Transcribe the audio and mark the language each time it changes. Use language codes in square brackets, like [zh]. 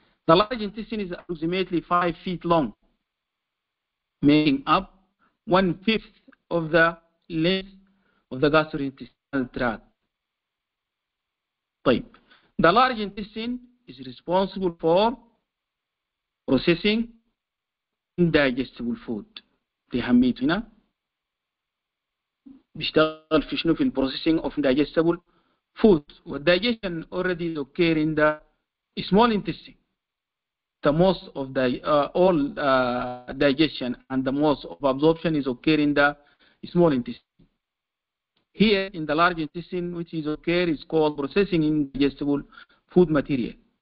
[en] The large intestine is approximately 5 feet long, making up 1/5 of the length of the gastrointestinal tract. [ar] طيب. [en] The large intestine is responsible for processing indigestible food. [ar] دي أهميته هنا. بيشتغل في شنو في البروسيسنج اوف [en] indigestible food. والدايجيشن already occur in the small intestine. The most of the all digestion and the most of absorption is occur in the small intestine. Here in the large intestine, which is occur, is called processing indigestible food material.